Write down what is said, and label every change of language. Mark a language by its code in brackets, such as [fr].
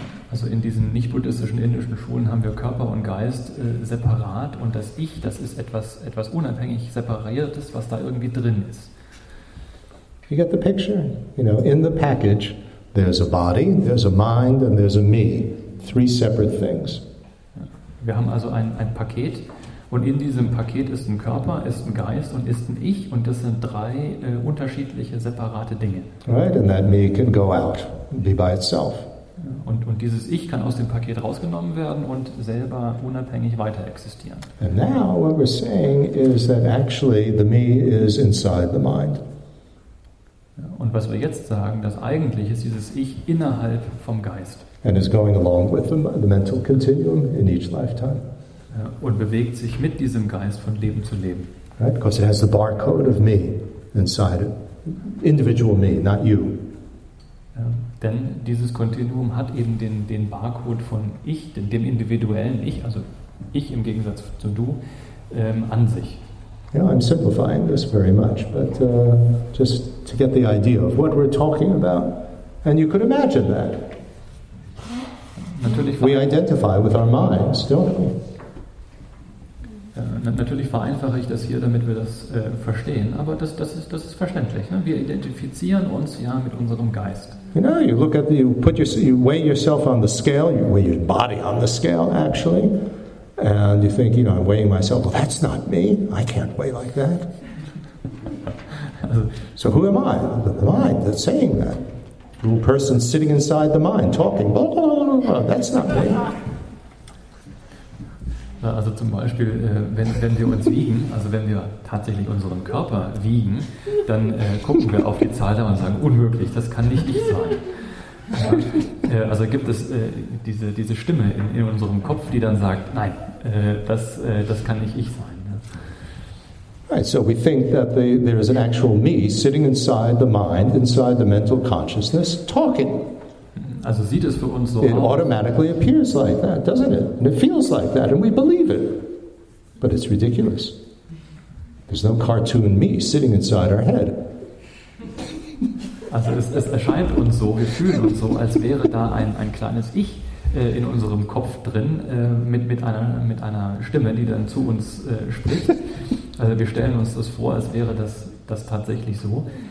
[de] Also in diesen nicht-buddhistischen indischen Schulen haben wir Körper und Geist separat und das Ich, das ist etwas unabhängig Separiertes, was da irgendwie drin ist. [en] You get the picture? You know, in the package, there's a body, there's a mind and there's a me. Three separate things. [de] Wir haben also ein Paket und in diesem Paket ist ein Körper, ist ein Geist und ist ein Ich und das sind drei unterschiedliche, separate Dinge. [en] Right, and that me can go out, be by itself. [de] Und dieses Ich kann aus dem Paket rausgenommen werden und selber unabhängig weiter existieren. [en] And now what we're saying is that actually the me is inside the mind. [de] Und was wir jetzt sagen, das eigentlich ist dieses Ich innerhalb vom Geist. [en] And is going along with the mental continuum in each lifetime. [de] Und bewegt sich mit diesem Geist von Leben zu Leben. [en] Right, because it has the barcode of me inside it. Individual me, not you. [de] Denn dieses Kontinuum hat eben den Barcode von Ich, dem individuellen Ich, also Ich im Gegensatz zu Du, an sich. [en] Yeah, I'm simplifying this very much, but just to get the idea of what we're talking about, and you could imagine that. [de] Natürlich [en] we identify with our minds, don't we? [de] Natürlich vereinfache ich das hier, damit wir das verstehen, aber das ist verständlich. Ne? Wir identifizieren uns ja mit unserem Geist. [en] You know, you look at you weigh yourself on the scale, you weigh your body on the scale, actually, and you think, you know, I'm weighing myself. Well, that's not me. I can't weigh like that. So who am I? The mind that's saying that. The little person sitting inside the mind talking. Blah, blah, blah, blah, blah. That's not me. [de] Also zum Beispiel, wenn wir uns wiegen, also wenn wir tatsächlich unseren Körper wiegen, dann gucken wir auf die Zahl da und sagen, unmöglich, das kann nicht ich sein. Also gibt es diese Stimme in unserem Kopf, die dann sagt, nein, das kann nicht ich sein. [en] Right, so we think that there is an actual me sitting inside the mind, inside the mental consciousness, talking. [de] Also sieht es für uns so [en] it [de] aus. [en] Automatically appears like that, doesn't it? And it feels like that, and we believe it. But it's ridiculous. There's no cartoon me sitting inside our head. [de] Also es erscheint uns so, wir fühlen uns so, als wäre da ein kleines Ich in unserem Kopf drin, mit einer Stimme, die dann zu uns spricht. Also wir stellen uns das vor, als wäre das tatsächlich so.